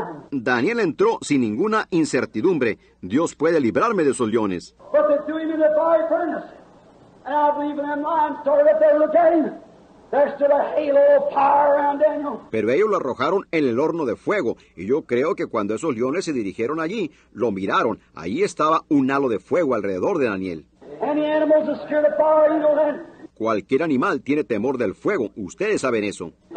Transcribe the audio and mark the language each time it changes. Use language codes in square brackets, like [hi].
[es] Daniel entró sin ninguna incertidumbre. Dios puede librarme de esos leones. [en] But they threw him in the fiery furnace. And I believe in them lions started up there to look at him. There stood a halo of power around Daniel. [es] Pero ellos lo arrojaron en el horno de fuego. Y yo creo que cuando esos leones se dirigieron allí, lo miraron. Allí estaba un halo de fuego alrededor de Daniel. [en] Any animals are scared of fire, you know that. [es] Cualquier animal tiene temor del fuego. Ustedes saben eso.